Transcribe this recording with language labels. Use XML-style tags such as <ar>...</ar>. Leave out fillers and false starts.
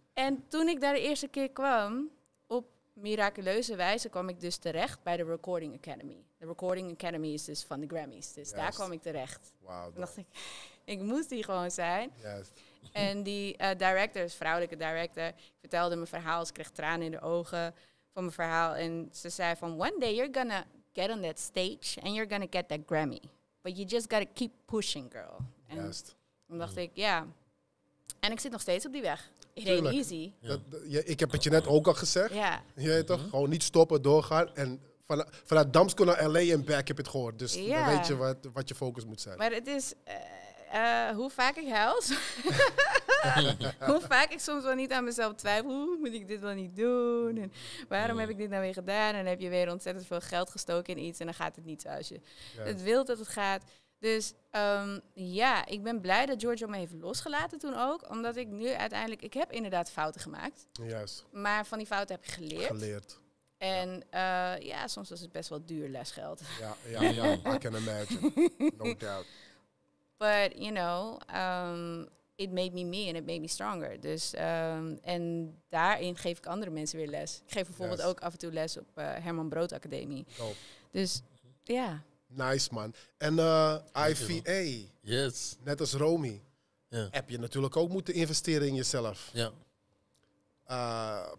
<nl>En toen ik daar de eerste keer kwam, op miraculeuze wijze kwam ik dus terecht bij de Recording Academy. De Recording Academy is dus van de Grammys. Dus daar kwam ik terecht. Wow. Dan dacht ik, ik moest die gewoon zijn.</nl> <en>Yes.</en> <nl>En die director, vrouwelijke director, vertelde mijn verhaal. Ze kreeg tranen in de ogen van mijn verhaal. En ze zei van,</nl> <en>one day you're gonna get on that stage and you're gonna get that Grammy. But you just gotta keep pushing, girl.</en> <nl>En dan dacht ik, ja. En ik zit nog steeds op die weg.</nl> <en>It ain't easy.</en> <nl>Ik heb het je net ook al gezegd. Ja. Je weet toch? Gewoon niet stoppen, doorgaan en vanuit Damsko naar L.A. en back heb je het gehoord. Dus dan weet je wat je focus moet zijn. Maar het is, hoe vaak ik huil. Hoe vaak ik soms wel niet aan mezelf twijfel. Hoe moet ik dit wel niet doen? En waarom heb ik dit nou weer gedaan? En heb je weer ontzettend veel geld gestoken in iets. En dan gaat het niet zoals je het wilt dat het gaat. Dus ik ben blij dat Giorgio me heeft losgelaten toen ook. Omdat ik nu uiteindelijk, ik heb inderdaad fouten gemaakt. Juist. Maar van die fouten heb ik geleerd. Geleerd. En soms was het best wel duur lesgeld.</nl> <en>Ja, I can imagine. No doubt. But, you know, it made me and it made me stronger.</en> <nl>Dus, en daarin geef ik andere mensen weer les. Ik geef bijvoorbeeld ook af en toe les op Herman Brood Academie. Top. Dus,</nl> <en>Nice, man. En IVA. Yes.</en> <nl>Net als Romy. Yeah. Heb je natuurlijk ook moeten investeren in jezelf. Ja. Yeah.</nl>